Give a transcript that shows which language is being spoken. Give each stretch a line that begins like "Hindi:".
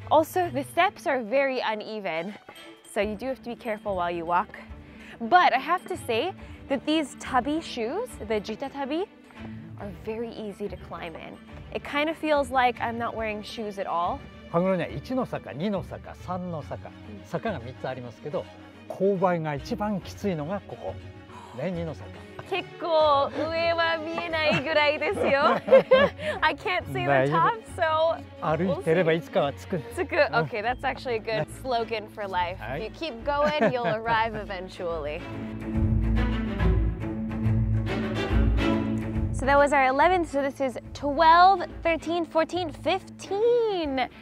English: Also, the steps are very uneven, so you do have to be careful while you walk. But I have to say that these tabi shoes, the jita tabi, are very easy to climb in. It kind of feels like I'm not wearing shoes at all.
Japanese: Haguro には1の坂、2の坂、3の坂、坂が3つありますけど、勾配が一番きついのがここ。ね、2の坂。結構上は見えないぐらいですよ。
English: I can't see the top, so we'll see.
Japanese: 歩いてればいつかは着く。着く。
English: Okay, that's actually a good slogan for life. If you keep going, you'll arrive eventually. So that was our 11th, so this is 12, 13, 14, 15.